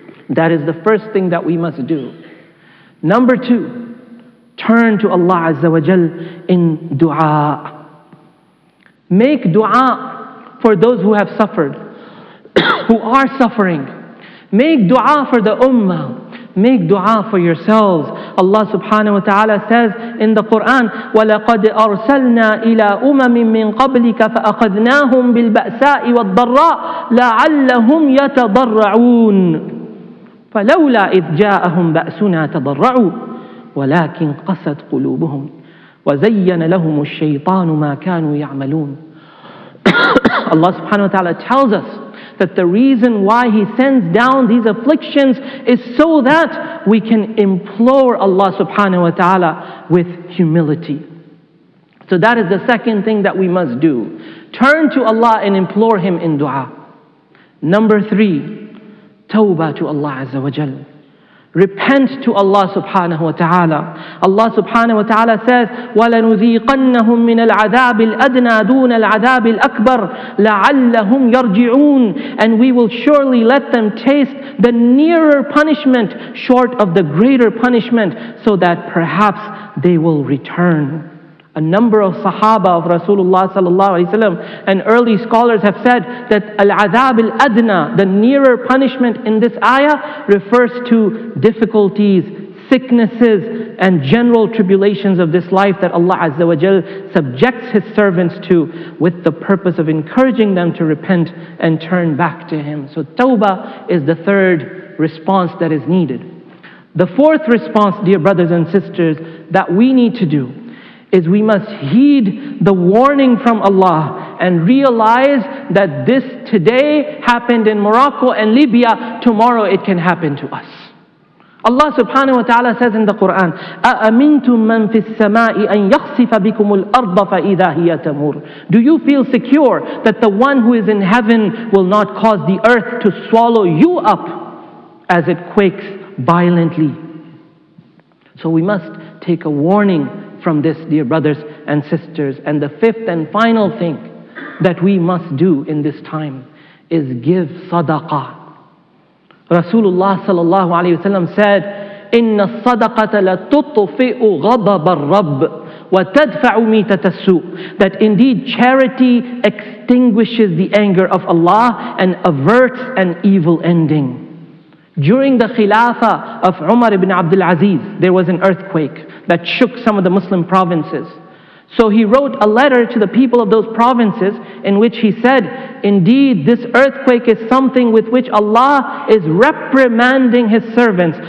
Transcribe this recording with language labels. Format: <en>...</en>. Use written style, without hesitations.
<en>That is the first thing that we must do. Number two, turn to Allah Azza wa Jal in dua. Make dua for those who have suffered, who are suffering. Make dua for the ummah. Make dua for yourselves. Allah subhanahu wa ta'ala says in the Quran,</en> <ar>وَلَقَدْ أَرْسَلْنَا إِلَىٰ أُمَمٍ مِّن قَبْلِكَ فَأَخَذْنَاهُمْ بِالْبَأْسَاءِ وَالضَّرَّاءِ لَعَلَّهُمْ يَتَضَرَّعُونَ فَلَوْلَا إِذْ جَاءَهُمْ بَأْسُنَا تَضَرَّعُوا وَلَكِنْ قَسَتْ قُلُوبُهُمْ وَزَيَّنَ لَهُمُ الشَّيْطَانُ مَا كَانُوا يَعْمَلُونَ.</ar> <en>Allah subhanahu wa ta'ala tells us that the reason why He sends down these afflictions is so that we can implore Allah subhanahu wa ta'ala with humility. So that is the second thing that we must do. Turn to Allah and implore Him in dua. Number three, tawbah to Allah Azza wa Jal. Repent to Allah subhanahu wa ta'ala. Allah subhanahu wa ta'ala says,</en> <ar>وَلَنُذِيقَنَّهُمْ مِنَ الْعَذَابِ الْأَدْنَى دُونَ الْعَذَابِ الْأَكْبَرِ لَعَلَّهُمْ يَرْجِعُونَ.</ar> <en>And we will surely let them taste the nearer punishment short of the greater punishment so that perhaps they will return. A number of sahaba of Rasulullah sallallahu alaihi wasallam and early scholars have said that al-'adhab al-adna, the nearer punishment in this ayah, refers to difficulties, sicknesses and general tribulations of this life that Allah Azza wa Jal subjects His servants to with the purpose of encouraging them to repent and turn back to Him. So tawbah is the third response that is needed. The fourth response, dear brothers and sisters, that we need to do is we must heed the warning from Allah and realize that this today happened in Morocco and Libya, tomorrow it can happen to us. Allah subhanahu wa ta'ala says in the Quran,</en> <ar>أَأَمِنْتُمْ مَنْ فِي السَّمَاءِ أَنْ يَخْسِفَ بِكُمُ الْأَرْضَ فَإِذَا هِيَ تَمُورُ.</ar> <en>Do you feel secure that the one who is in heaven will not cause the earth to swallow you up as it quakes violently? So we must take a warning from this, dear brothers and sisters. And the fifth and final thing that we must do in this time is give sadaqah. Rasulullah sallallahu alayhi wa sallam said,</en> <ar>إِنَّ الصَّدَقَةَ لَتُطْفِئُ غَضَبَ الرَّبِّ وَتَدْفَعُ مِيتَةَ السُّوءِ.</ar> <en>That indeed charity extinguishes the anger of Allah and averts an evil ending. During the Khilafah of Umar ibn Abdul Aziz, there was an earthquake that shook some of the Muslim provinces. So he wrote a letter to the people of those provinces in which he said, indeed, this earthquake is something with which Allah is reprimanding His servants.</en>